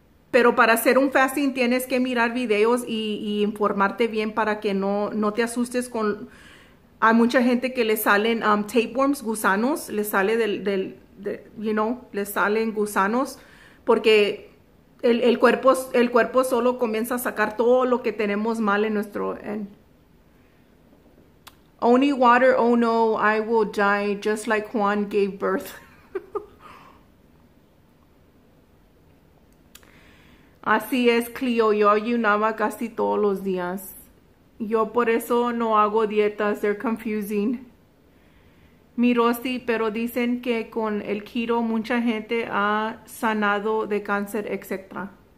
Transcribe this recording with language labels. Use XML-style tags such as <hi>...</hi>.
<es>Pero para hacer un fasting tienes que mirar videos y informarte bien para que no te asustes con. Hay mucha gente que le salen tapeworms, gusanos, le sale le salen gusanos porque el cuerpo solo comienza a sacar todo lo que tenemos mal en nuestro.</es> <en>Only water, oh no, I will die just like Juan gave birth.</en> <es>Así es, Clio, yo ayunaba casi todos los días. Yo por eso no hago dietas,</es> <en>they're confusing.</en> <es>Miró, sí, pero dicen que con el keto mucha gente ha sanado de cáncer, etc.</es>